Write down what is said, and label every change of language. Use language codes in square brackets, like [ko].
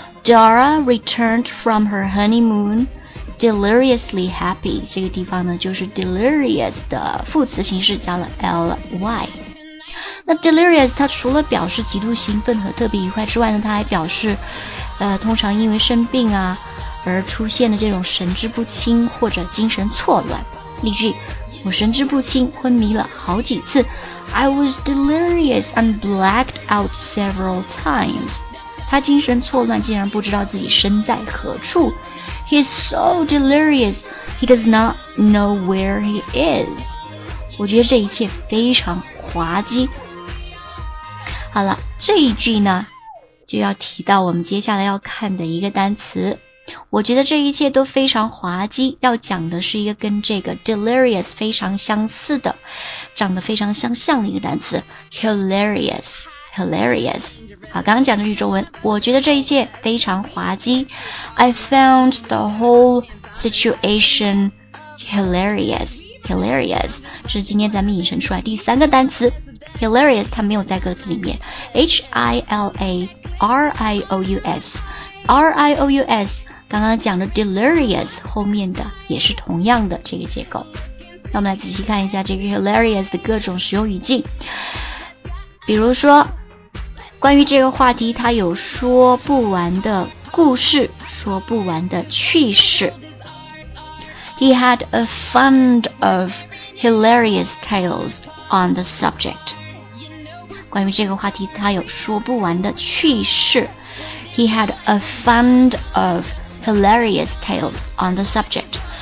[en] Dora returned from her honeymoon. Deliriously happy, [zh] 这个地方呢就是 delirious 的副词形式加了 ly。那 delirious 它除了表示极度兴奋和特别愉快之外呢，它还表示通常因为生病啊而出现的这种神志不清或者精神错乱。例句，我神志不清昏迷了好几次。 [en] I was delirious and blacked out several times. [zh] 他精神错乱竟然不知道自己身在何处。 [en] He's so delirious, he does not know where he is. [zh] 我觉得这一切非常滑稽。好了，这一句呢，就要提到我们接下来要看的一个单词。我觉得这一切都非常滑稽，要讲的是一个跟这个 delirious 非常相似的，长得非常相像的一个单词， hilarious。Hilarious. 好，刚刚讲的是中文。我觉得这一切非常滑稽。 [en] I found the whole situation hilarious. Hilarious. [zh] 这是今天咱们引申出来第三个单词。 Hilarious 它没有在歌词里面。H-I-L-A-R-I-O-U-S. R-I-O-U-S, 刚刚讲的 delirious 后面的也是同样的这个结构。那我们来仔细看一下这个 hilarious 的各种使用语境。比如说关于这个话题，它有说不完的故事，说不完的趣事。 [en] He had a fund of hilarious tales on the subject. [zh] 关于这个话题，它有说不完的趣事。 [en] He had a fund of hilarious tales on the subject.